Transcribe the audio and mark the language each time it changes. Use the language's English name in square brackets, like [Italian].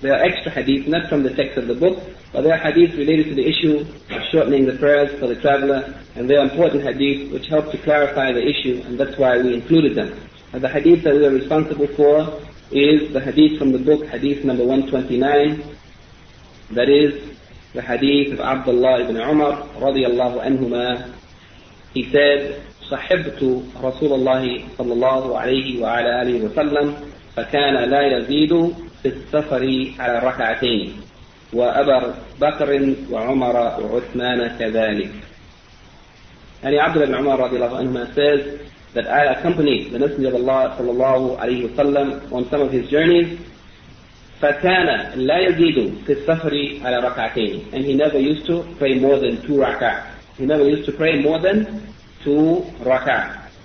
[English] There are extra hadith, not from the text of the book, but there are hadith related to the issue of shortening the prayers for the traveler, and they are important hadith which help to clarify the issue, and that's why we included them. And the hadith that we are responsible for is the hadith from the book, hadith number 129. That is the hadith of Abdullah ibn Umar radiyallahu anhuma. He said, [Arabic] صَحِبْتُ رَسُولَ اللَّهِ صَلَّى اللَّهُ عَلَيْهِ وَعَلَى آلِهِ وَسَلَّمْ فكان لا يزيد في السفر على ركعتين وأبا بكر وعمر وعثمان كذلك. [English] يعني عبد الله بن عمر رضي الله عنهما says that I accompanied the Messenger of Allah صلى الله عليه وسلم on some of his journeys. [Arabic] فكان لا يزيد في السفر على ركعتين, [English] and he never used to pray more than two rak'ah. He never used to pray more than two rak'ah.